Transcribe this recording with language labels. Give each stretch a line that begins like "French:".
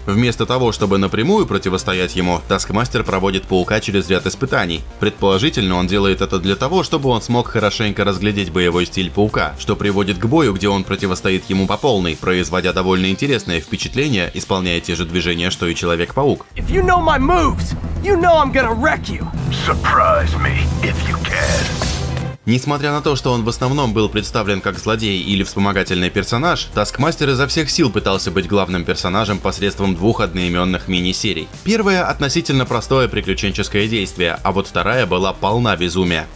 Russian: Вместо того, чтобы напрямую противостоять ему, Таскмастер проводит паука через ряд испытаний. Предположительно, он делает это для того, чтобы он смог хорошенько разглядеть боевой стиль паука, что приводит к бою, где он противостоит ему по полной, производя довольно интересное впечатление, исполняя те же движения, что и Человек-паук.
English: If you know my moves, you know I'm gonna wreck you. Surprise me if you can.
Russian: Несмотря на то, что он в основном был представлен как злодей или вспомогательный персонаж, Таскмастер изо всех сил пытался быть главным персонажем посредством двух одноименных мини-серий. Первая — относительно простое приключенческое действие, а вот вторая была полна безумия.